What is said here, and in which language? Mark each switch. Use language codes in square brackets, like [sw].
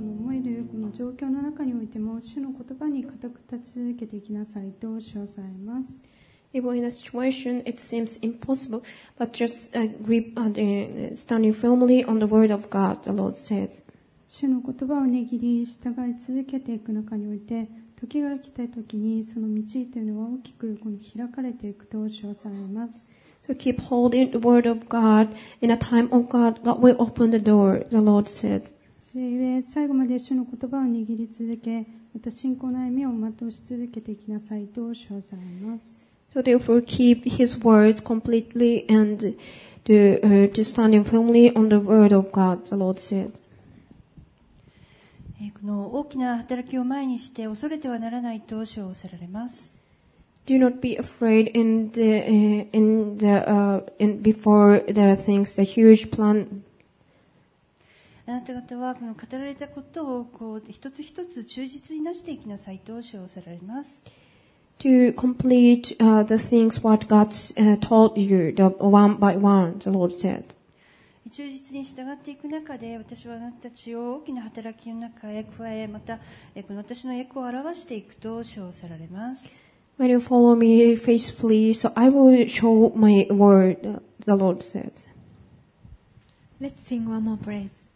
[ja] 主の言葉に固く立ち続けていきなさいと称されます。 [en] Even in a situation it seems impossible but just grip and standing firmly on the word of God the Lord says [ja] 主の言葉を握り従い続けていく中において時が来た時にその道というのは大きくこの開かれていくと称されます。 [en] So keep holding the word of God in a time of God, God will open the door, the Lord said. [ja] それゆえ最後まで主の言葉を握り続け、また信仰の歩みを全うし続けていきなさいと称されます。 [en] So therefore keep his words completely and to, to stand firmly on the word of God, the Lord said. [ja] この大きな働きを前にして恐れてはならないと称されます。 [en] Do not be afraid in the, in the, in before the things, the huge plan. [ja] あなた方はこの語られたことをこう一つ一つ忠実になしていきなさいと称されます。 [en] To complete the things what God's told you, the one by one, the Lord said. [ja] 忠実に従っていく中で、私はあなたたちを大きな働きの中へ加え、またこの私の栄光を表していくと称されます。 [en] When you follow me faithfully, so I will show my word, the Lord said. Let's sing one more praise.